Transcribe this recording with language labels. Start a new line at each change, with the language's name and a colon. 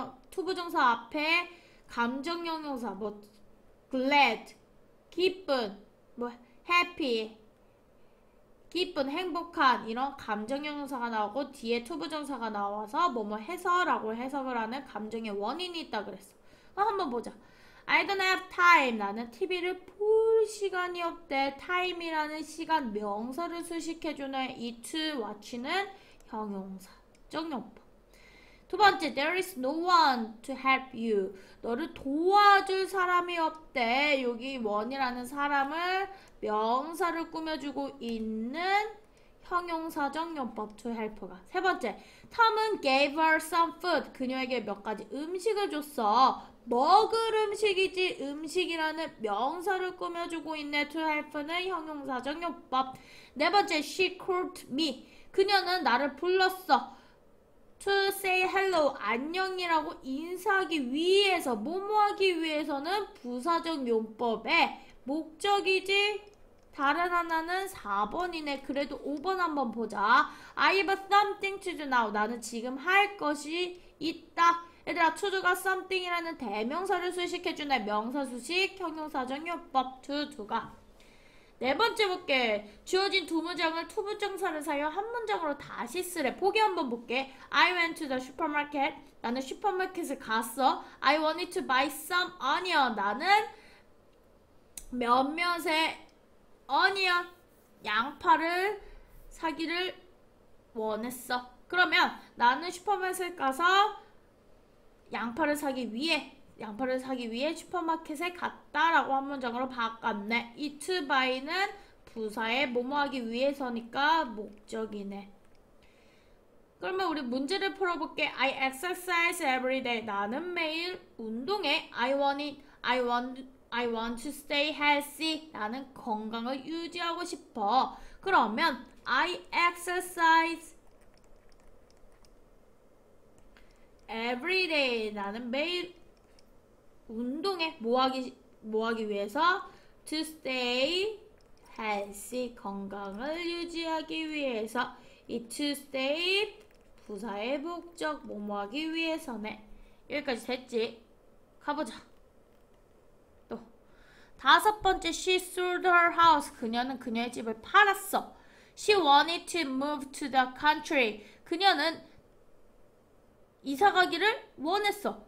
Korean: 투부정사 앞에 감정 형용사. 뭐, glad, 기쁜, 뭐, happy, 기쁜, 행복한, 이런 감정 형용사가 나오고, 뒤에 투부정사가 나와서, 뭐뭐 해서 라고 해석을 하는 감정의 원인이 있다 그랬어. 한번 보자.
English: I don't have time.
Korean: 나는 TV를 볼 시간이 없대. 타임이라는 시간 명사를 수식해 주네. 이 to watch는 형용사. 정용법. 두 번째,
English: there is no one to help you.
Korean: 너를 도와줄 사람이 없대. 여기 one이라는 사람을 명사를 꾸며주고 있는 형용사 정용법 to help가. 세 번째,
English: Tom은 gave her some food.
Korean: 그녀에게 몇 가지 음식을 줬어. 먹을 음식이지 음식이라는 명사를 꾸며주고 있네. to help는 형용사 정용법. 네 번째,
English: she called me.
Korean: 그녀는 나를 불렀어.
English: To say hello,
Korean: 안녕이라고 인사하기 위해서, 뭐뭐하기 위해서는 부사적 용법의 목적이지 다른 하나는 4번이네. 그래도 5번 한번 보자.
English: I have something to do now.
Korean: 나는 지금 할 것이 있다. 얘들아, to do가 something이라는 대명사를 수식해주네. 명사 수식, 형용사적 용법, to do가. 네 번째 볼게. 주어진 두 문장을 to 부정사를 사용 한 문장으로 다시 쓰래. 보기 한번 볼게.
English: I went to the supermarket.
Korean: 나는 슈퍼마켓을 갔어.
English: I wanted to buy some onion.
Korean: 나는 몇몇의 onion 양파를 사기를 원했어. 그러면 나는 슈퍼마켓을 가서 양파를 사기 위해 양파를 사기 위해 슈퍼마켓에 갔다 라고 한 문장으로 바꿨네. It to buy는 부사에 뭐뭐하기 위해서니까 목적이네. 그러면 우리 문제를 풀어볼게.
English: I exercise every day.
Korean: 나는 매일 운동해.
English: I want to stay healthy.
Korean: 나는 건강을 유지하고 싶어. 그러면
English: I exercise every day.
Korean: 나는 매일 운동해. 뭐하기 위해서?
English: To stay healthy.
Korean: 건강을 유지하기 위해서. It to stay 부사의 목적. 뭐뭐하기 위해서네. 여기까지 됐지? 가보자. 또. 다섯 번째.
English: She sold her house.
Korean: 그녀는 그녀의 집을 팔았어.
English: She wanted to move to the country.
Korean: 그녀는 이사가기를 원했어.